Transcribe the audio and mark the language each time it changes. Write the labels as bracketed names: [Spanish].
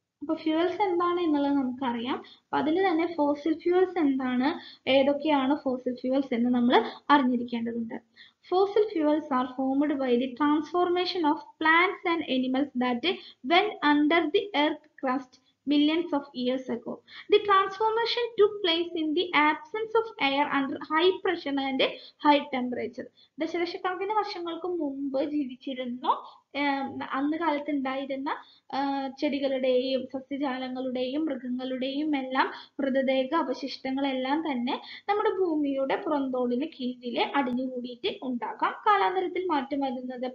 [Malayalam] അപ്പൊ ഫ്യൂവൽസ് എന്താണ് എന്നുള്ളത് നമുക്കറിയാം. അപ്പൊ അതിൽ തന്നെ ഫോസിൽ ഫ്യൂവൽസ് എന്താണ്, ഏതൊക്കെയാണ് ഫോസിൽ ഫ്യൂവൽസ് എന്ന് നമ്മൾ അറിഞ്ഞിരിക്കേണ്ടതുണ്ട്. [English] Fossil fuels are formed by the transformation of plants and animals that went under the earth crust millions of years ago. The transformation took place in the absence of air under high pressure and high temperature. [Malayalam] ദശലക്ഷക്കണക്കിന് വർഷങ്ങൾക്ക് മുമ്പ് ജീവിച്ചിരുന്ന അന്ന് കാലത്ത് ഉണ്ടായിരുന്ന ചെടികളുടെയും സസ്യജാലങ്ങളുടെയും മൃഗങ്ങളുടെയും എല്ലാം മൃതദേഹ അവശിഷ്ടങ്ങളെല്ലാം തന്നെ നമ്മുടെ ഭൂമിയുടെ പുറന്തോടിന് കീഴിലെ അടിഞ്ഞുകൂടിയിട്ട് ഉണ്ടാക്കാം കാലാന്തരത്തിൽ മാറ്റം വരുന്നത്.